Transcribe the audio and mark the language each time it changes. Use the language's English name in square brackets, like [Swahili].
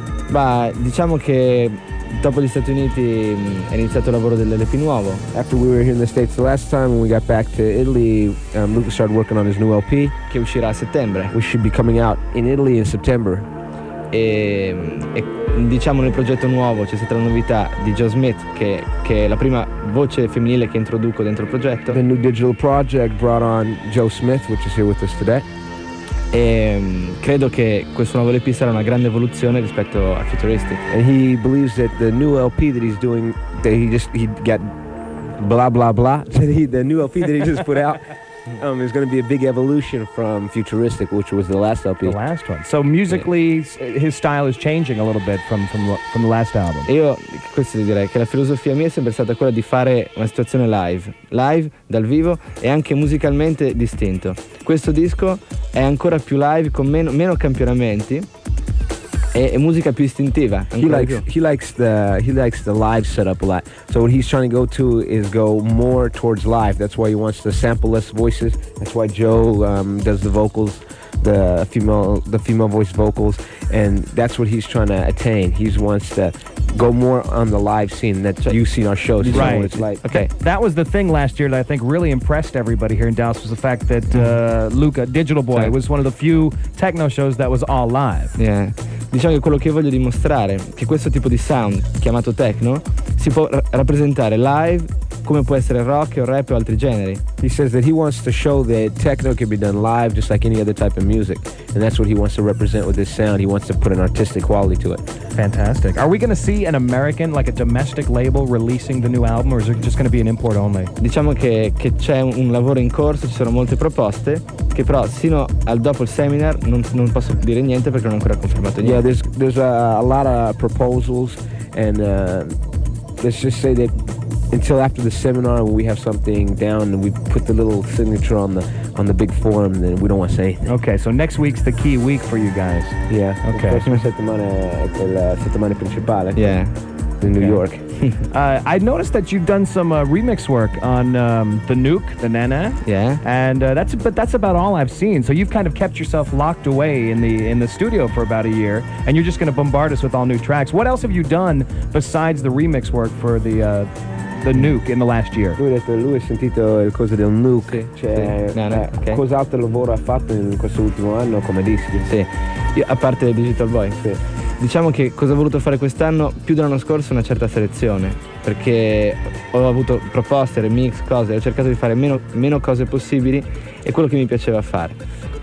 [Italian] Ma diciamo che dopo gli Stati Uniti è iniziato il lavoro dell'LP nuovo. [English] After we were here in the States the last time, when we got back to Italy, Luca started working on his new LP. [Italian] Che uscirà a settembre. [English] We should be coming out in Italy in September. [Italian] E diciamo nel progetto nuovo c'è stata la novità di Joe Smith che è la prima voce femminile che introduco dentro il progetto. [English] The new digital project brought on Joe Smith, which is here with us today. [Italian] E credo che questo nuovo LP sarà una grande evoluzione rispetto a Futuristic. [English] And he believes that the new LP that he's doing, that he got blah blah blah, the new LP that he just put out. It's going to be a big evolution from Futuristic, which was the last LP. The last one. So musically, his style is changing a little bit from the last album. [Italian] Io questo direi che la filosofia mia è sempre stata quella di fare una situazione live dal vivo e anche musicalmente distinto. Questo disco è ancora più live con meno campionamenti e musica più istintiva. [English] He likes the live setup a lot. So what he's trying to go more towards live. That's why he wants the sample less voices. That's why Joe does the vocals, the female voice vocals, and that's what he's trying to attain. He wants to go more on the live scene that you've seen our shows. Right. You know what it's like. Okay. That was the thing last year that I think really impressed everybody here in Dallas was the fact that Luca Digital Boy was one of the few techno shows that was all live. Yeah. [Italian] Diciamo che quello che voglio dimostrare che questo tipo di sound, chiamato techno, si può rappresentare live come può essere rock o rap o altri generi. [English] He says that he wants to show that techno can be done live just like any other type of music. And that's what he wants to represent with this sound. He wants to put an artistic quality to it. Fantastic. Are we going to see an American, like a domestic label, releasing the new album, or is it just going to be an import only? [Italian] Diciamo che c'è un lavoro in corso, ci sono molte proposte, che però sino al dopo il seminar non posso dire niente perché non ho ancora confermato niente. [English] Yeah, there's a lot of proposals, and let's just say that until after the seminar when we have something down and we put the little signature on the big form, then we don't want to say anything. Okay, so next week's the key week for you guys. Yeah. Okay. [Italian] La prossima settimana è quella settimana principale. [English] Yeah. In New York. I noticed that you've done some remix work on the Nuke, the Nana. Yeah. And that's about all I've seen. So you've kind of kept yourself locked away in the studio for about a year, and you're just going to bombard us with all new tracks. What else have you done besides the remix work for the Nuke in the last year? [Italian] Lui ha detto, lui ha sentito il cosa del Nuke. Sì. Cioè, okay. Cosa altro lavoro ha fatto in questo ultimo anno come dischi? Sì. Io, a parte Digital Boy. Sì. Diciamo che cosa ho voluto fare quest'anno, più dell'anno scorso, una certa selezione, perché ho avuto proposte, remix, cose, ho cercato di fare meno cose possibili e quello che mi piaceva fare.